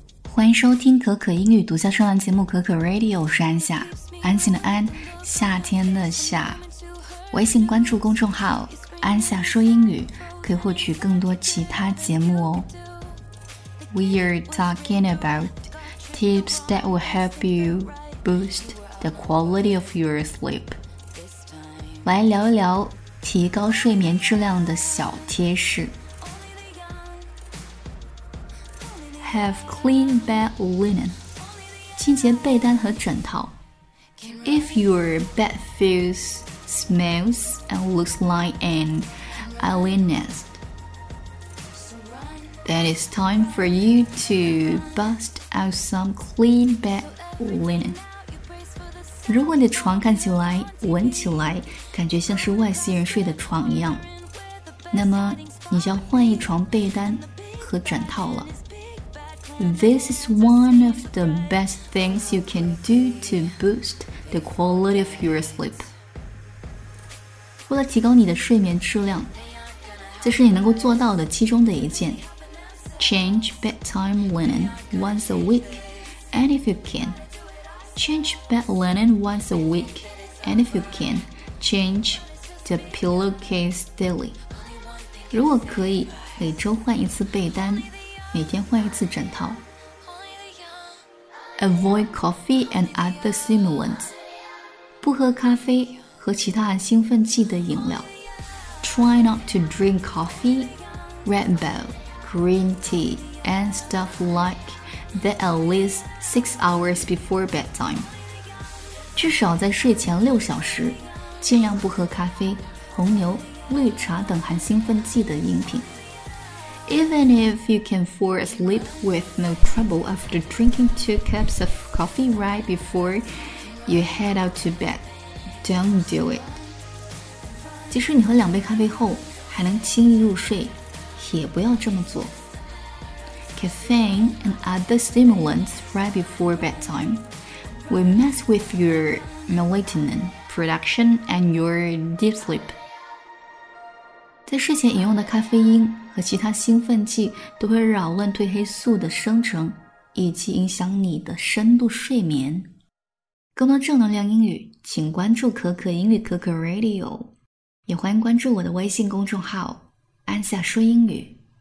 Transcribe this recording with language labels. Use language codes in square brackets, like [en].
[zh] 欢迎收听可可英语独家专栏节目可可 Radio， 我是安夏，安心的安，夏天的夏。微信关注公众号安夏说英语，可以获取更多其他节目哦。 [en] We are talking about tips that will help you boost the quality of your sleep， [zh] 来聊一聊提高睡眠质量的小贴士。 [en] Have clean bed linen， [zh] 清洁被单和枕套。 [en] If your bed feels, smells, and looks like an alien nest, then it's time for you to bust out some clean bed linen。 [zh] 如果你的床看起来、闻起来感觉像是外星人睡的床一样，那么你就要换一床被单和枕套了。 [en] This is one of the best things you can do to boost the quality of your sleep. [zh] 为了提高你的睡眠质量，这是你能够做到的其中的一件。 [en] Change bedtime linen once a week, and if you can. Change bed linen once a week, and if you can. Change the pillowcase daily. [zh] 如果可以，每周换一次被单。每天换一次枕套。 [en] Avoid coffee and other stimulants， [zh] 不喝咖啡和其他含兴奋剂的饮料。 [en] Try not to drink coffee, Red Bull, green tea and stuff like that at least 6 hours before bedtime， [zh] 至少在睡前6小时尽量不喝咖啡、红牛、绿茶等含兴奋剂的饮品。 [en] Even if you can fall asleep with no trouble after drinking 2 cups of coffee right before you head out to bed, don't do it. [zh] 即使你喝两杯咖啡后还能轻易入睡，也不要这么做。 [en] Caffeine and other stimulants right before bedtime will mess with your melatonin production and your deep sleep. [zh] 在睡前饮用的咖啡因和其他兴奋剂都会扰乱褪黑素的生成，以及影响你的深度睡眠。更多正能量英语，请关注可可英语可可 Radio， 也欢迎关注我的微信公众号安夏说英语。